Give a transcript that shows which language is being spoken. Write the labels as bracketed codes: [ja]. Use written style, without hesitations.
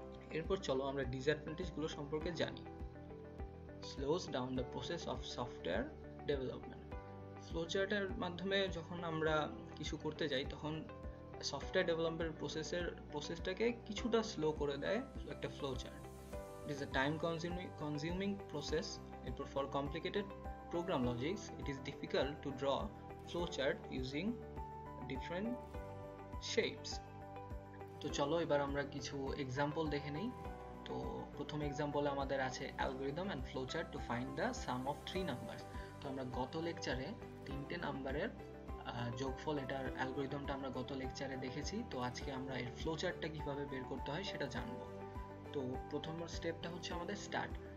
[bn] এরপর চলো আমরা ডিসঅ্যাডভান্টেজগুলো সম্পর্কে জানি. [en] Slows down the process of software development. [bn] ফ্লোচার্টের মাধ্যমে যখন আমরা কিছু করতে যাই তখন সফটওয়্যার ডেভেলপমেন্ট প্রসেসটাকে কিছুটা স্লো করে দেয় একটা flowchart. [en] It is a time-consuming process. Therefore, for complicated program logics, it is difficult to draw flowchart using different shapes. [bn] তো চলো এবার আমরা কিছু এক্সাম্পল দেখে নেই। তো প্রথম এক্সাম্পলে আমাদের আছে [en] Algorithm and flowchart to find the sum of three numbers. [bn] তো আমরা গত লেকচারে তিনটে নাম্বারের যোগফল এটার অ্যালগোরিদমটা আমরা গত লেকচারে দেখেছি। তো আজকে আমরা এর ফ্লোচার্টটা কীভাবে বের করতে হয় সেটা জানবো। তো প্রথম স্টেপটা হচ্ছে আমাদের স্টার্ট।